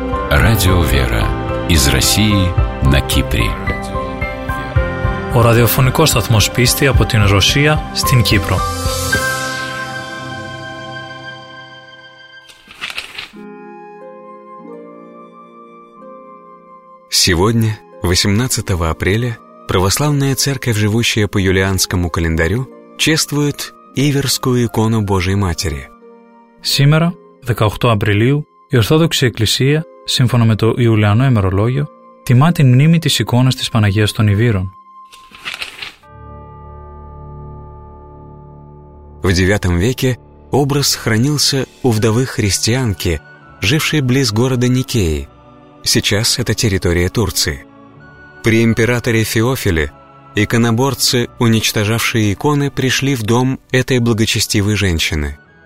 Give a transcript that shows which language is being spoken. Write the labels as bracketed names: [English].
[Russian] Радио «Вера» из России на Кипре. [Greek] Ο ραδιοφωνικός σταθμός πίστη από την Ρωσία στην Κύπρο. [Russian] Сегодня, 18 апреля, православная церковь, живущая по юлианскому календарю, чествует Иверскую икону Божией Матери. Сегодня, 18 апреля, [Greek] η Ορθόδοξη Εκκλησία, σύμφωνα με το Ιουλιανό ημερολόγιο, τιμά την μνήμη της εικόνας της Παναγίας των Ιβύρων. [Russian] В 9 веке образ хранился у вдовы христианки, жившей близ города Никеи. Сейчас это территория Турции. При императоре Феофиле иконоборцы, уничтожавшие иконы, пришли в дом этой благочестивой женщины.